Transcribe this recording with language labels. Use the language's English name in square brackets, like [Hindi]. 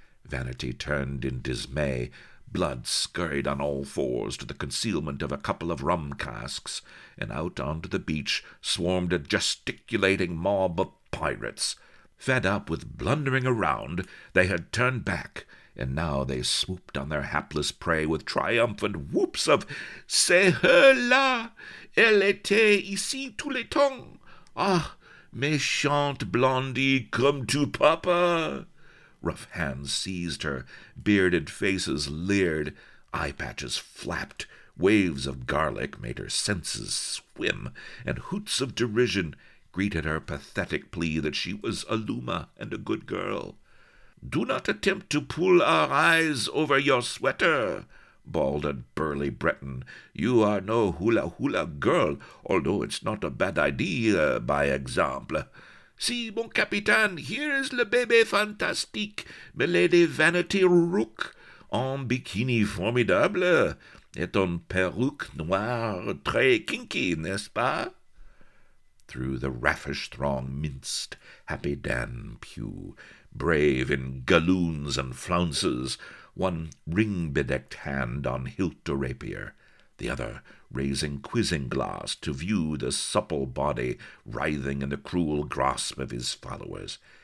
[English] Vanity turned in dismay. Blood scurried on all fours to the concealment of a couple of rum casks, and out onto the beach swarmed a gesticulating mob of pirates. Fed up with blundering around, they had turned back, and now they swooped on their hapless prey with triumphant whoops of [French] "C'est [English] her [French] là! Elle était ici tout le temps! [English] Ah, [French] méchante [English] blondie, come to papa!" Rough hands seized her, bearded faces leered, eye patches flapped, waves of garlic made her senses swim, and hoots of derision greeted her pathetic plea that she was a luma and a good girl. "Do not attempt to pull our eyes over your sweater," bawled a burly Breton. "You are no hula hula girl, although it's not a bad idea by example. [French] Si, mon capitaine, [English] here is [French] le bébé fantastique, milady Vanity Rook, en bikini formidable, et en perruque noire très kinky, n'est-ce pas?" [English] Through the raffish throng minced Happy Dan Pugh, brave in galloons and flounces, one ring-bedecked hand on hilt or rapier, the other raising quizzing glass to view the supple body writhing in the cruel grasp of his followers.